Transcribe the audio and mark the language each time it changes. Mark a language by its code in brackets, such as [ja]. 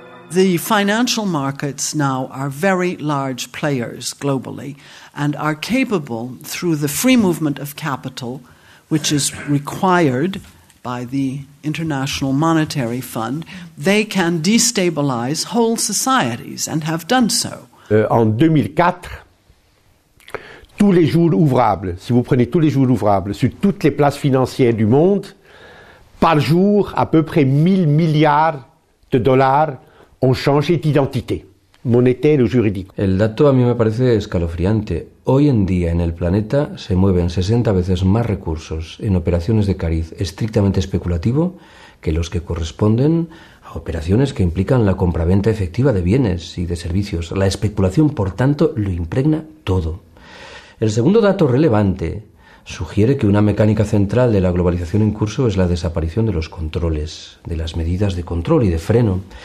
[en] The financial markets now are very large players globally and are capable, through the free movement of capital, which is required by the International Monetary Fund, they can destabilize whole societies and have done so. [fr] En 2004, tous les jours ouvrables, si vous prenez tous les jours ouvrables sur toutes les places financières du monde, par jour, à peu près 1000 milliards de dollars on change d'identité monétaire ou juridique. [es] El dato a mí me parece escalofriante. Hoy en día en el planeta se mueven 60 veces más recursos en operaciones de cariz estrictamente especulativo que los que corresponden a operaciones que implican la compraventa efectiva de bienes y de servicios. La especulación, por tanto, lo impregna todo. El segundo dato relevante sugiere que una mecánica central de la globalización en curso es la desaparición de los controles, de las medidas de control y de freno.